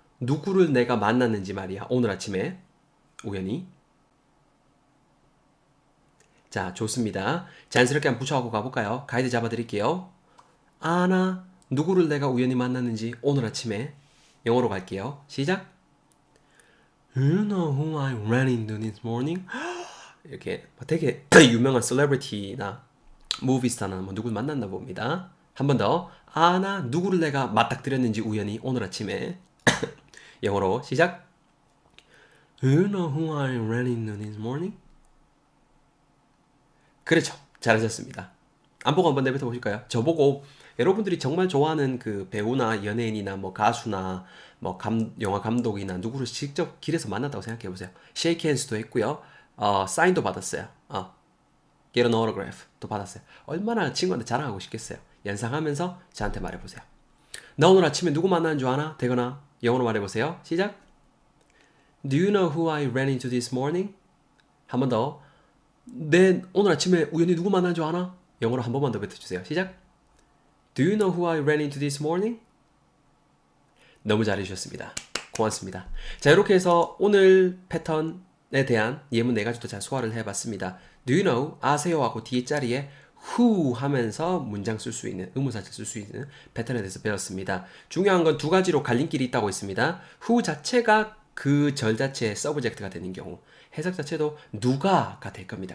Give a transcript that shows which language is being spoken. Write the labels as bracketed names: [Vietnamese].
[Korean] 누구를 내가 만났는지 말이야. 오늘 아침에. 우연히. 자, 좋습니다. 자연스럽게 한번 붙여갖고 가볼까요? 가이드 잡아드릴게요. 아나, 누구를 내가 우연히 만났는지 오늘 아침에. 영어로 갈게요. 시작. [English] You know who I ran into this morning? [Korean] 이렇게 되게 유명한 셀레브리티나 무비스타나 뭐 누구 만났나 봅니다. 한번 더. 아나, 누구를 내가 맞닥뜨렸는지 우연히 오늘 아침에. 영어로 시작. [English] You know who I ran into this morning? [Korean] 그렇죠. 잘하셨습니다. 안 보고 한번 내뱉어 보실까요? 저보고 여러분들이 정말 좋아하는 그 배우나 연예인이나 뭐 가수나 뭐 영화 감독이나 누구를 직접 길에서 만났다고 생각해 보세요. [English] Shake hands [Korean] 도 했고요. 사인도 받았어요. [English] Get an autograph [Korean] 도 받았어요. 얼마나 친구한테 자랑하고 싶겠어요. 연상하면서 저한테 말해 보세요. 나 오늘 아침에 누구 만나는 줄 아나? 되거나 영어로 말해보세요. 시작. [English] Do you know who I ran into this morning? [Korean] 한번 더. 네, 오늘 아침에 우연히 누구 만난 줄 아나? 영어로 한 번만 더 뱉어주세요. 시작. [English] Do you know who I ran into this morning? [Korean] 너무 잘해주셨습니다. 고맙습니다. 자, 이렇게 해서 오늘 패턴에 대한 예문 네 가지도 잘 소화를 해봤습니다. [English] Do you know? [Korean] 아세요하고 뒤에 자리에 Who 하면서 문장 쓸수 있는, 의문사를 쓸수 있는 패턴에 대해서 배웠습니다. 중요한 건두 가지로 갈림길이 있다고 했습니다. Who 자체가 그절 자체의 서브젝트가 되는 경우, 해석 자체도 누가가 될 겁니다.